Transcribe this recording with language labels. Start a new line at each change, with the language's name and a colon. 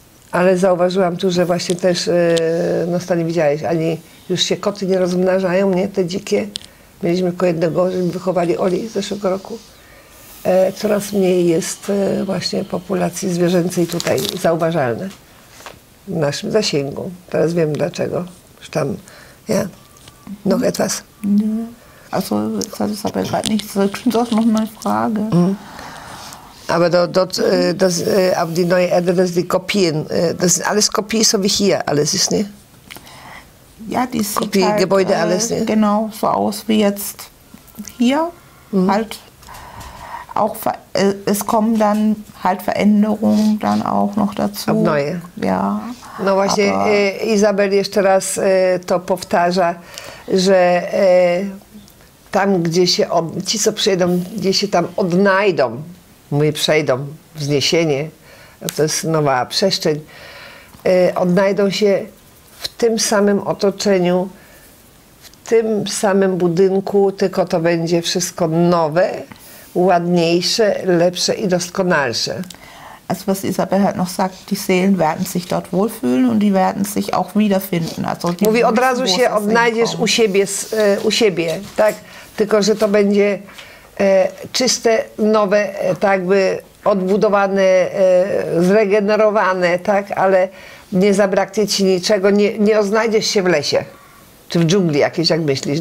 Polish: Ale zauważyłam tu, że właśnie też, no Stanie, widziałeś, ani już się koty nie rozmnażają, nie? Te dzikie. Mieliśmy tylko jednego, żeśmy wychowali Oli z zeszłego roku. Coraz mniej jest właśnie populacji zwierzęcej tutaj zauważalne w naszym zasięgu. Teraz wiem dlaczego. Już tam, ja,
German: noch etwas. Ja. Also, ich hatte es aber gerade nicht, das ist doch noch eine Frage. Mhm. Aber auf die neue Erde, das sind die Kopien. Das sind alles Kopien, so wie hier, alles ist, ne? Ja, die Kopie, halt, Gebäude, alles, ne? Genau, so aus wie jetzt hier. Mhm. Halt auch, es kommen dann halt Veränderungen dann auch noch dazu. Ab neue. Ja.
Polish: No właśnie, Izabel jeszcze raz to powtarza, że tam, gdzie się, ci co przyjedą, gdzie się tam odnajdą, mówię przejdą, wzniesienie, to jest nowa przestrzeń, odnajdą się w tym samym otoczeniu, w tym samym budynku, tylko to będzie wszystko nowe, ładniejsze, lepsze i doskonalsze.
German: Also was Isabel halt noch sagt, die Seelen werden sich dort wohlfühlen und die werden sich auch wiederfinden. Also die
Polish: mówi, od razu się odnajdziesz u siebie, tak? Tylko, że to będzie czyste, nowe, tak by odbudowane, zregenerowane, tak? Ale nie zabraknie ci niczego, nie odnajdziesz się w lesie czy w dżungli jakiejś, jak myślisz.